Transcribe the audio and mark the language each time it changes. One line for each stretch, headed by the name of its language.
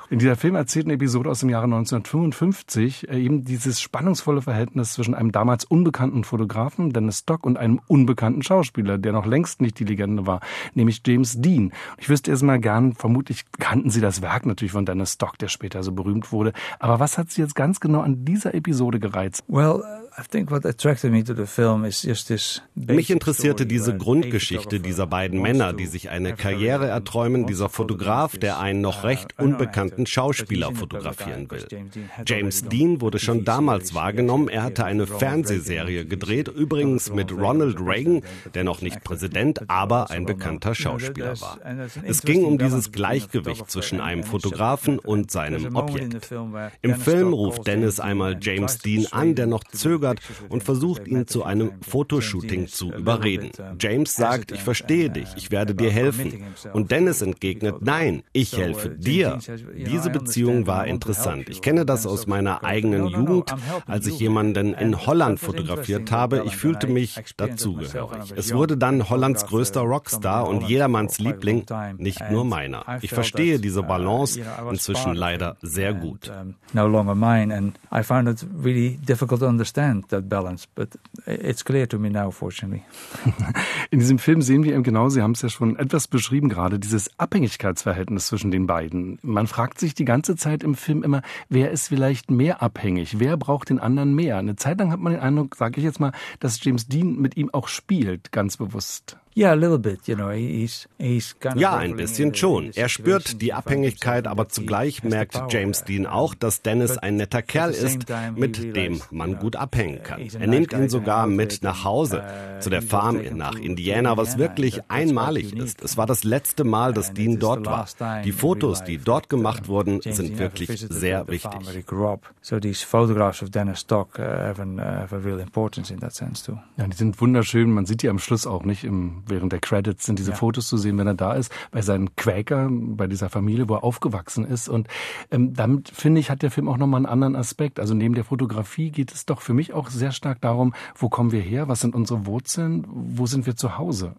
German: In dieser Film erzählt eine Episode aus dem Jahre 1955 eben dieses spannungsvolle Verhältnis zwischen einem damals unbekannten Fotografen Dennis Stock und einem unbekannten Schauspieler, der noch längst nicht die Legende war, nämlich James Dean. Ich wüsste erst mal gern, vermutlich kannten Sie das Werk natürlich von Dennis Stock, der später so berühmt wurde. Aber was hat Sie jetzt ganz genau an dieser Episode gereizt?
English: Well, I think what attracted me to the film is just this.
German: Mich interessierte diese Grundgeschichte dieser beiden Männer, die sich eine Karriere erträumen, dieser Fotograf, der einen noch recht unbekannten Schauspieler fotografieren will. James Dean wurde schon damals wahrgenommen, er hatte eine Fernsehserie gedreht, übrigens mit Ronald Reagan, der noch nicht Präsident, aber ein bekannter Schauspieler war. Es ging um dieses Gleichgewicht zwischen einem Fotografen und seinem Objekt. Im Film ruft Dennis einmal James Dean an, der noch zögert und versucht, ihn zu einem Fotoshooting zu überreden. James sagt, ich verstehe dich, ich werde dir helfen. Und Dennis entgegnet, nein, ich helfe dir. Diese Beziehung war interessant. Ich kenne das aus meiner eigenen Jugend, als ich jemanden in Holland fotografiert habe. Ich fühlte mich dazugehörig. Es wurde dann Hollands größter Rockstar und jedermanns Liebling, nicht nur meiner. Ich verstehe diese Balance inzwischen leider sehr gut.
English: No longer mine and I found it really difficult understand that balance, but it's clear to me now, fortunately.
German: In diesem Film sehen wir eben genau, Sie haben es ja schon etwas beschrieben gerade, dieses Abhängigkeitsverhältnis zwischen den beiden. Man fragt sich die ganze Zeit im Film immer, wer ist vielleicht mehr abhängig? Wer braucht den anderen mehr? Eine Zeit lang hat man den Eindruck, sage ich jetzt mal, dass James Dean mit ihm auch spielt, ganz bewusst.
English: Yeah, a little bit, you know. He's kind of.
German: Ja, ein bisschen schon. Er spürt die Abhängigkeit, aber zugleich merkt James Dean auch, dass Dennis ein netter Kerl ist, mit dem man gut abhängen kann. Er nimmt ihn sogar mit nach Hause, zu der Farm nach Indiana, was wirklich einmalig ist. Es war das letzte Mal, dass Dean dort war. Die Fotos, die dort gemacht wurden, sind wirklich sehr wichtig.
English: So these photographs of Dennis Stock have a real importance in that sense too.
German: Ja, die sind wunderschön. Man sieht die am Schluss auch nicht im während der Credits sind diese Fotos zu sehen, wenn er da ist, bei seinen Quäkern, bei dieser Familie, wo er aufgewachsen ist. Und damit, finde ich, hat der Film auch nochmal einen anderen Aspekt. Also neben der Fotografie geht es doch für mich auch sehr stark darum, wo kommen wir her, was sind unsere Wurzeln, wo sind wir zu Hause?